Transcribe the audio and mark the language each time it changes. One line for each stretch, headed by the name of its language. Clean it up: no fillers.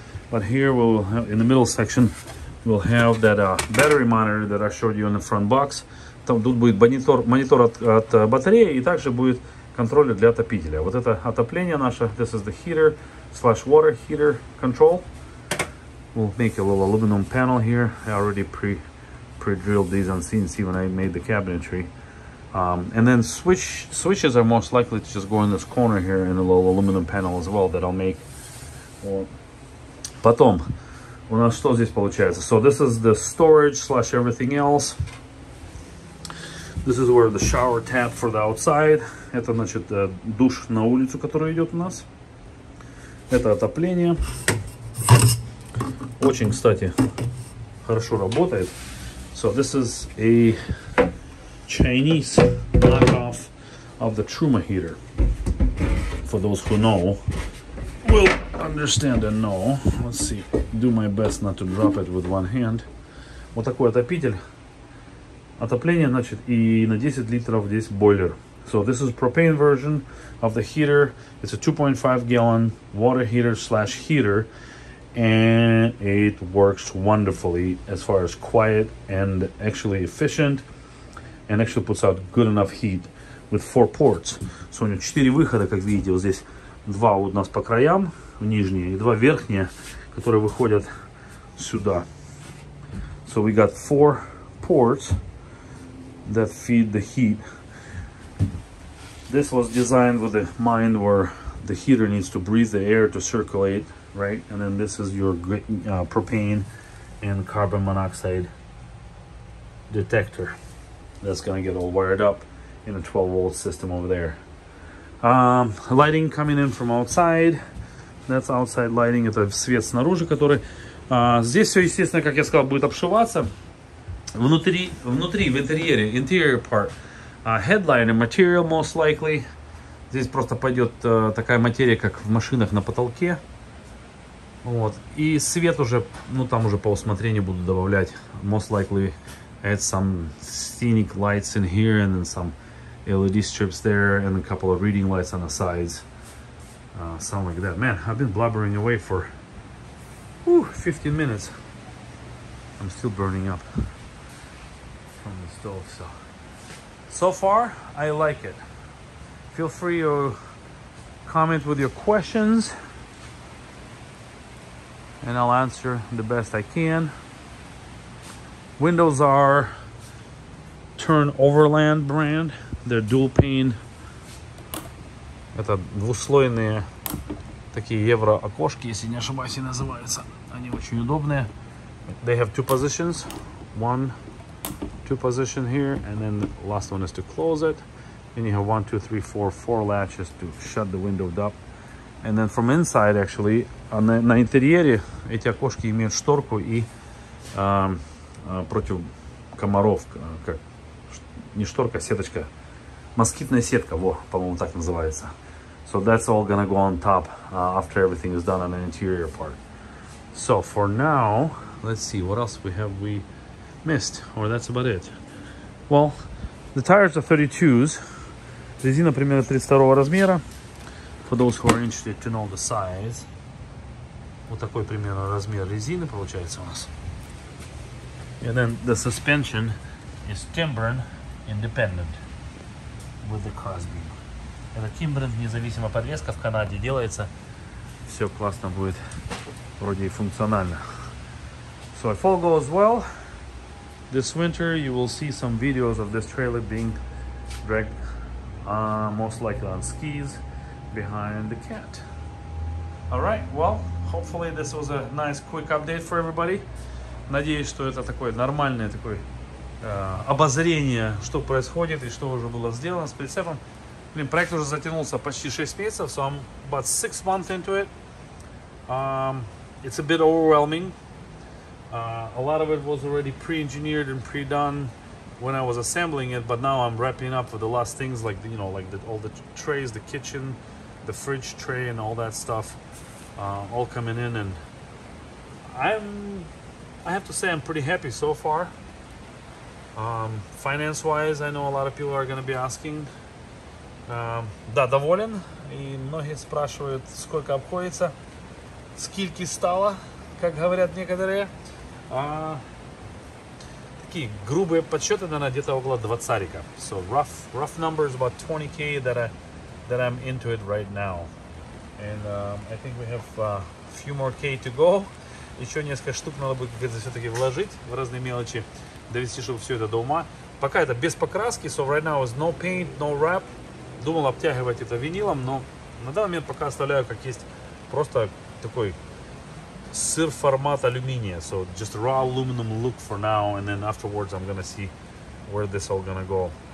English: But here we'll have, in the middle section, we'll have that battery monitor that I showed you in the front box.
Russian: Там тут будет монитор от батареи и также будет контроллер для отопителя. Вот это отопление наше.
English: This is the heater / water heater control. We'll make a little aluminum panel here. I already pre-drilled these on CNC when I made the cabinetry. And then switches are most likely to just go in this corner here in a little aluminum panel as well that I'll make.
Russian: Потом, у нас что здесь получается?
English: So this is the storage / everything else. This is where the shower tap for the outside.
Russian: Это, значит, душ на улицу, который идет у нас. Это отопление. Очень, кстати, хорошо работает.
English: So this is a Chinese knockoff of the Truma heater. For those who know, will understand and know. Let's see. Do my best not to drop it with one hand.
Russian: Вот такой отопитель. Отопление, значит, и на 10 литров здесь бойлер.
English: So this is propane version of the heater. It's a 2.5 gallon water heater / heater. And it works wonderfully as far as quiet and actually efficient. And actually puts out good enough heat with 4 ports.
Russian: So у него 4 выхода, как видите, вот здесь 2 у нас по краям, нижние, и 2 верхние, которые выходят сюда.
English: So we got four ports that feed the heat. This was designed with the mind where the heater needs to breathe the air to circulate, right? And then this is your propane and carbon monoxide detector that's gonna get all wired up in a 12 volt system over there. Lighting coming in from outside. That's outside lighting.
Russian: Это свет снаружи, который... здесь все, естественно, как я сказал, будет обшиваться. Внутри, в интерьере,
English: interior part. Headliner material, most likely.
Russian: Здесь просто пойдет такая материя, как в машинах на потолке. Вот. И свет уже, ну там уже по усмотрению буду добавлять.
English: Most likely add some scenic lights in here and then some LED strips there and a couple of reading lights on the sides. Sound like that. Man, I've been blubbering away for 15 minutes. I'm still burning up from the stove. So far, I like it. Feel free to comment with your questions and I'll answer the best I can. Windows are Turn Overland brand. They're dual pane.
Russian: Это двуслойные такие евро окошки, если не ошибаюсь, и называются. Они очень удобные.
English: They have two positions. Two position here, and then the last one is to close it. And you have 1, 2, 3, 4 latches to shut the window up. And then from inside, actually, on the
Russian: на интерьере эти окошки имеют шторку и против комаров, как не шторка, сеточка, москитная сетка, во, по-моему, так называется.
English: So that's all gonna go on top after everything is done on the interior part. So for now, let's see what else we missed, or that's about it. Well, the tires are 32s.
Russian: Резина примерно 32 размера.
English: For those who are interested to know the size.
Russian: Вот такой примерно размер резины получается у нас.
English: And then the suspension is Timbrand independent with the crossbeam.
Russian: Это Timbrand независимая подвеска в Канаде делается. Все классно будет. Вроде и функционально.
English: So if all goes well, this winter you will see some videos of this trailer being dragged most likely on skis behind the cat. Alright, well, hopefully this was a nice quick update for everybody.
Russian: Надеюсь, что это такое нормальное такое обозрение, что происходит и что уже было сделано с прицепом. Блин, проект уже затянулся почти 6 месяцев,
English: so I'm about 6 months into it. It's a bit overwhelming. A lot of it was already pre-engineered and pre-done when I was assembling it, but now I'm wrapping up with the last things, like the, you know, like the, all the trays, the kitchen, the fridge tray, and all that stuff, all coming in. And I have to say, I'm pretty happy so far. Finance-wise, I know a lot of people are going to be asking.
Russian: Да, доволен. И многие спрашивают, сколько обходится, скольки стало, как говорят некоторые. Такие грубые подсчеты, наверное, где-то около 20-ка.
English: So rough numbers about 20k that I'm into it right now. And I think we have a few more k to go.
Russian: Еще несколько штук надо будет как-то все-таки вложить в разные мелочи, довести, чтобы все это до ума. Пока это без покраски,
English: so right now is no paint, no wrap.
Russian: Думал обтягивать это винилом, но на данный момент пока оставляю как есть, просто такой сыр формат алюминия,
English: so just raw aluminum look for now, and then afterwards I'm gonna see where this all gonna go.